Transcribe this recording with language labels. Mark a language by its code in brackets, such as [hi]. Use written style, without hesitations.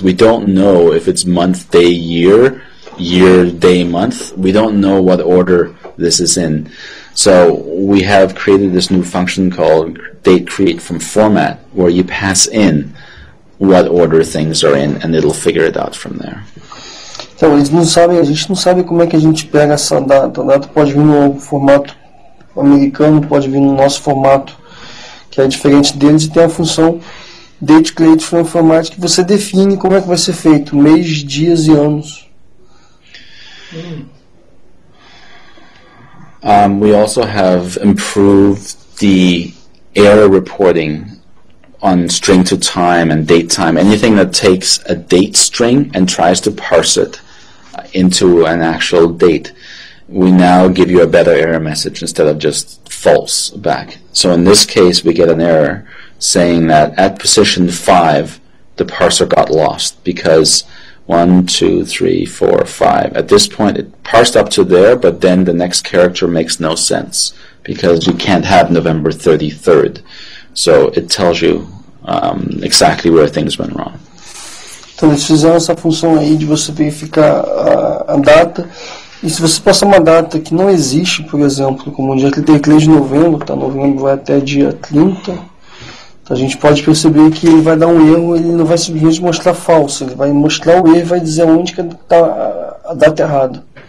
[en] We don't know if it's month, day, year, year, day, month. We don't know what order this is in. So we have created this new function called date create from format, where you pass in what order things are in, and it'll figure it out from there. [pt] Então, eles não sabem, a gente não sabe como é que a gente pega essa data. A data pode vir no formato americano, pode vir no nosso formato, que é diferente deles, e tem a função date create from format, que você define como é que vai ser feito, mês, dias e anos. [en] We also have improved the error reporting on string to time and date time. Anything that takes a date string and tries to parse it into an actual date, we now give you a better error message instead of just false back. So in this case, we get an error saying that at position 5, the parser got lost because 1, 2, 3, 4, 5. At this point, it parsed up to there, but then the next character makes no sense because you can't have November 33rd. So it tells you exactly where things went wrong. [pt] Então eles fizeram essa função aí de você verificar a data. E se você passar uma data que não existe, por exemplo, como o dia 33 de novembro, tá? Novembro vai até dia 30, então a gente pode perceber que ele vai dar um erro, ele não vai simplesmente mostrar falso, ele vai mostrar o erro e vai dizer onde que está a data errada.